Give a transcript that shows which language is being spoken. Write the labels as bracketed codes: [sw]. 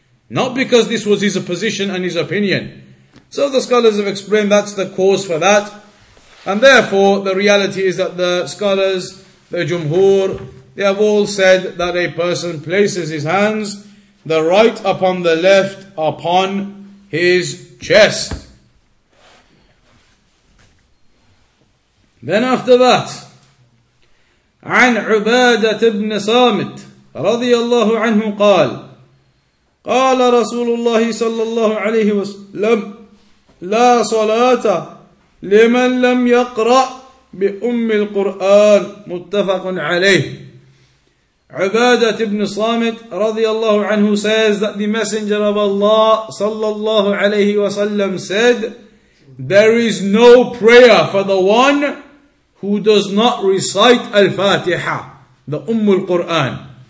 [en] Not because this was his position and his opinion. So the scholars have explained that's the cause for that. And therefore, the reality is that the scholars, the Jumhur, they have all said that a person places his hands, the right upon the left, upon his chest. Then after that, [ar] عن عبادة بن صامت رضي الله عنه قال قال رسول الله صلى الله عليه وسلم لا صلاة لمن لم يقرأ بأم القرآن متفق عليه. [en] عبادة بن صامت رضي الله عنه says that the messenger of Allah صلى الله عليه وسلم said, there is no prayer for the one who does not recite Al-Fatiha, the Ummul Qur'an.